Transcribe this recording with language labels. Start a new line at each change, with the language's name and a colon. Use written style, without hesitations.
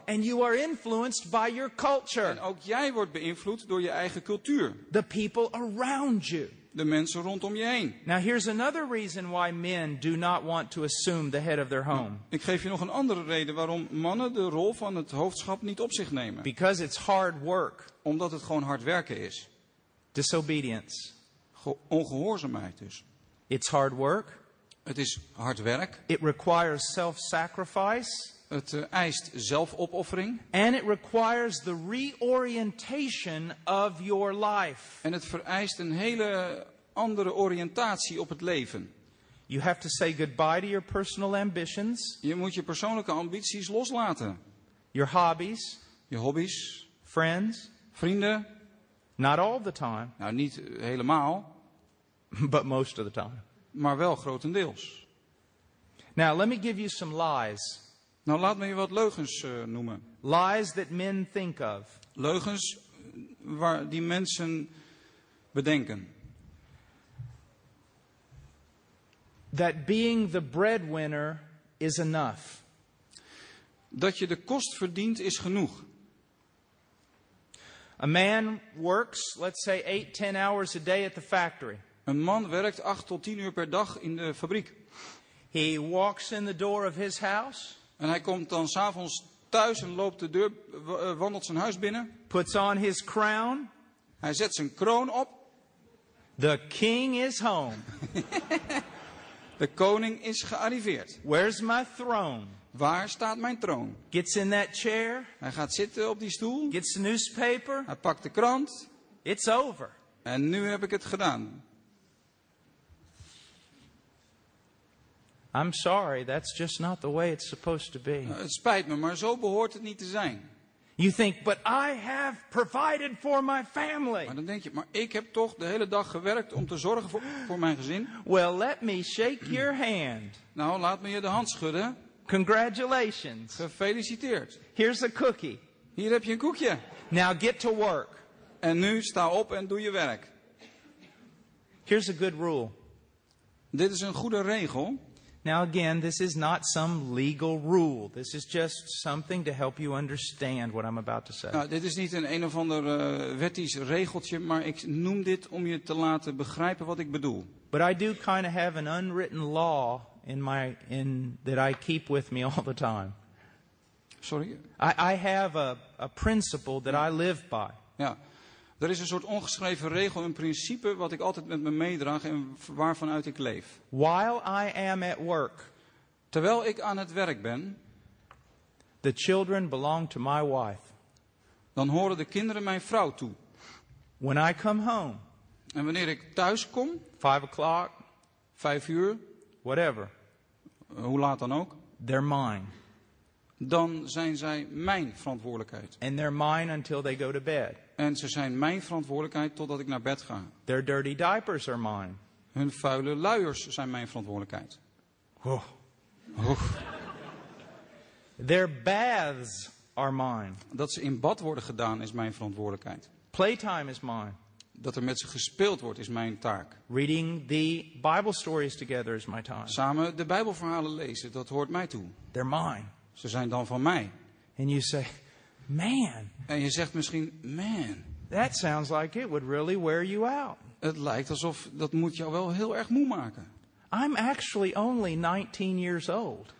English: And you are influenced by your culture.
Dutch: En ook jij wordt beïnvloed door je eigen cultuur.
English: The people around you.
Dutch: De mensen rondom je heen.
English: Now here's another reason why men do not want to assume the head of their home.
Dutch: Nou, ik geef je nog een andere reden waarom mannen de rol van het hoofdschap niet op zich nemen.
English: Because it's hard work.
Dutch: Omdat het gewoon hard werken is.
English: Disobedience.
Dutch: Ongehoorzaamheid dus.
English: It's hard work.
Dutch: Het is hard werk.
English: It requires self-sacrifice.
Dutch: Het eist zelfopoffering.
English: And it requires the reorientation of your life.
Dutch: En het vereist een hele andere oriëntatie op het leven.
English: You have to say goodbye to your personal ambitions.
Dutch: Je moet je persoonlijke ambities loslaten.
English: Your hobbies.
Dutch: Je hobby's.
English: Friends.
Dutch: Vrienden.
English: Not all the time.
Dutch: Nou, niet helemaal.
English: But most of the time.
Dutch: Maar wel grotendeels.
English: Now let me give you some lies.
Dutch: Nou laat me je wat leugens noemen.
English: Lies that men think of.
Dutch: Leugens waar die mensen bedenken.
English: That being the breadwinner is enough.
Dutch: Dat je de kost verdient is genoeg.
English: A man works, let's say 8-10 hours a day at the factory.
Dutch: Een man werkt 8 tot 10 uur per dag in de fabriek.
English: He walks in the door of his house.
Dutch: En hij komt dan 's avonds thuis en loopt de deur, wandelt zijn huis binnen.
English: Puts on his crown.
Dutch: Hij zet zijn kroon op.
English: The king is home.
Dutch: De koning is gearriveerd.
English: Where's my throne?
Dutch: Waar staat mijn troon?
English: Gets in that chair.
Dutch: Hij gaat zitten op die stoel.
English: Gets the newspaper.
Dutch: Hij pakt de krant.
English: It's over.
Dutch: En nu heb ik het gedaan.
English: I'm sorry, that's just not the way it's supposed to be.
Dutch: Het spijt me, maar zo behoort het niet te zijn.
English: You think, but I have provided for my family.
Dutch: Maar dan denk je, maar ik heb toch de hele dag gewerkt om te zorgen voor mijn gezin.
English: Well, let me shake your hand.
Dutch: Nou, laat me je de hand schudden.
English: Congratulations.
Dutch: Gefeliciteerd.
English: Here's a cookie.
Dutch: Hier heb je een koekje.
English: Now get to work.
Dutch: En nu sta op en doe je werk.
English: Here's a good rule.
Dutch: Dit is een goede regel.
English: Now again, this is not some legal rule. This is just something to help you understand what I'm about to say.
Dutch: Nou, dit is niet een of ander wettisch regeltje, maar ik noem dit om je te laten begrijpen wat ik bedoel.
English: But I do kind of have an unwritten law in that I keep with me all the time. Sorry? I have a principle that I live by.
Dutch: Ja. Er is een soort ongeschreven regel, een principe wat ik altijd met me meedraag en waarvanuit ik leef.
English: While I am at work,
Dutch: terwijl ik aan het werk ben,
English: the children belong to my wife.
Dutch: Dan horen de kinderen mijn vrouw toe.
English: When I come home,
Dutch: en wanneer ik thuis kom,
English: 5 o'clock,
Dutch: 5 uur,
English: whatever,
Dutch: hoe laat dan ook,
English: they're mine.
Dutch: Dan zijn zij mijn verantwoordelijkheid.
English: And they're mine until they go to bed.
Dutch: En ze zijn mijn verantwoordelijkheid totdat ik naar bed ga.
English: Their dirty diapers are mine.
Dutch: Hun vuile luiers zijn mijn verantwoordelijkheid. Oh. Oh.
English: Their baths are mine.
Dutch: Dat ze in bad worden gedaan is mijn verantwoordelijkheid.
English: Playtime is mine.
Dutch: Dat er met ze gespeeld wordt is mijn taak.
English: Reading the Bible stories together is my time.
Dutch: Samen de Bijbelverhalen lezen, dat hoort mij toe.
English: They're mine.
Dutch: Ze zijn dan van mij.
English: And you say, man.
Dutch: En je zegt misschien, man.
English: That sounds like it would really wear you out.
Dutch: Het lijkt alsof dat moet jou wel heel erg moe maken.
English: I'm actually only 19 years old.